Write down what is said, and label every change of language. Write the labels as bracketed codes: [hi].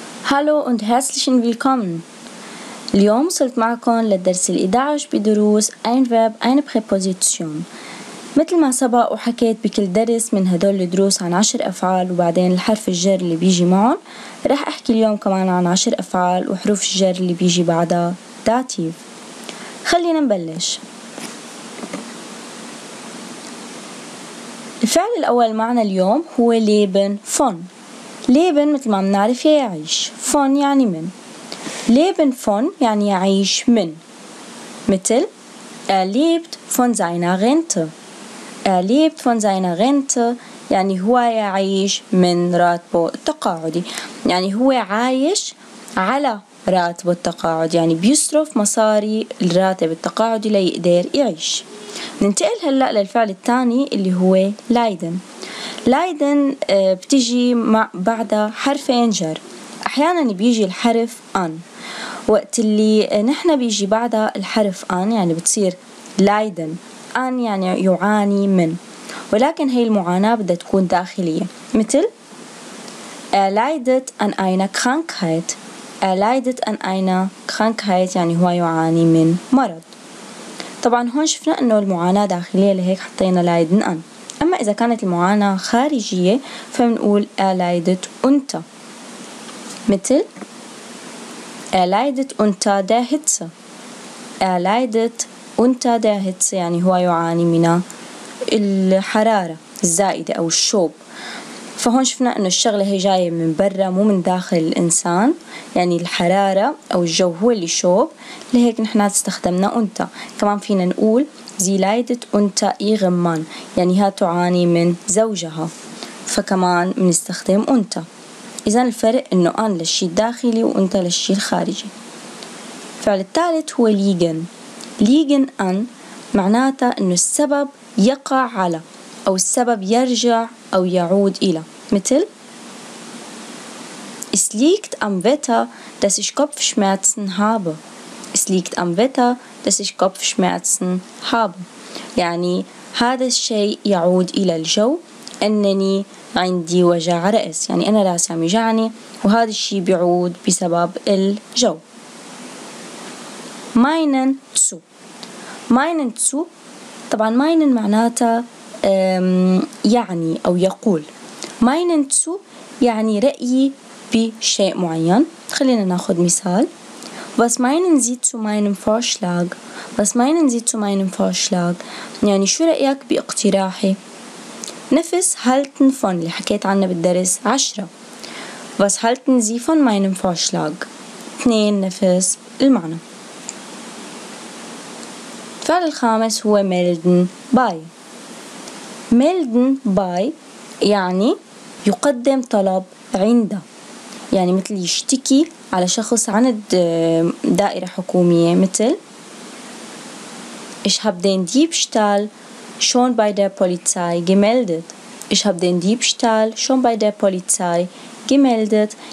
[de] Hallo und herzlich willkommen. [ar] اليوم سألت معكم للدرس الـ11 بدروس [de] ein Verb, eine Präposition. [ar] مثل ما سبق وحكيت بكل درس من هدول الدروس عن 10 أفعال وبعدين الحرف الجر اللي بيجي معهم رح أحكي اليوم كمان عن 10 أفعال وحروف الجر اللي بيجي بعدها داتيف. خلينا نبلش. الفعل الأول معنا اليوم هو leben, von. leben مثل ما منعرف يعيش, von يعني من. [de] leben von [ar] يعني يعيش من, مثل [de] er lebt von seiner Rente. er lebt von seiner Rente [ar] يعني هو يعيش من راتبه التقاعدي, يعني هو عايش على راتبه التقاعد, يعني بيصرف مصاري الراتب التقاعدي ليقدر يعيش. ننتقل هلا للفعل الثاني اللي هو leiden. leiden بتيجي بعدها حرفين جر, احيانا بيجي الحرف an. وقت اللي نحن بيجي بعدها الحرف an يعني بتصير leiden, an يعني يعاني من, ولكن هي المعاناة بدها تكون داخلية, مثل [de] er leidet an einer Krankheit. er leidet an einer Krankheit [ar] يعني هو يعاني من مرض. طبعا هون شفنا انه المعاناة داخلية لهيك حطينا leiden an. اما اذا كانت المعاناة خارجية فمنقول [de] er leidet unter, مثل er leidet unter der Hitze. er leidet unter der Hitze [ar] يعني هو يعاني من الحرارة الزائدة أو الشوب. فهون شفنا أنه الشغلة هي جاية من برا مو من داخل الإنسان, يعني الحرارة أو الجو هو اللي شوب, لهيك نحنا استخدمنا unter. كمان فينا نقول [de] sie leidet unter ihrem Mann [ar] يعني هي تعاني من زوجها, فكمان منستخدم unter. إذن الفرق أنه أن للشيء الداخلي وأنت للشيء الخارجي. الفعل الثالث هو liegen. liegen an معناتها أنه السبب يقع على أو السبب يرجع أو يعود إلى, مثل [de] Es liegt am Wetter, dass ich Kopfschmerzen habe. Es liegt am Wetter, dass ich Kopfschmerzen habe. [ar] يعني هذا الشيء يعود إلى الجو, أنني عندي وجع رأس, يعني أنا رأسي عم يجعني وهذا الشيء بيعود بسبب الجو. [de] meinen zu. [ar] meinen zu طبعا meinen معناتها يعني أو يقول. meinen zu يعني رأيي بشيء معين. خلينا ناخذ مثال. [de] was meinen Sie zu meinem Vorschlag? was meinen Sie zu meinem Vorschlag? [ar] يعني شو رأيك باقتراحي؟ نفس halten von اللي حكيت عنه بالدرس 10. [de] was halten Sie von meinem Vorschlag? [ar] 2 نفس المعنى. الفعل الخامس هو melden by. melden by يعني يقدم طلب عند, يعني مثل يشتكي على شخص عن دائرة حكومية, مثل [de] ich habe den Diebstahl schon bei der Polizei gemeldet. Ich habe den Diebstahl schon bei der Polizei gemeldet.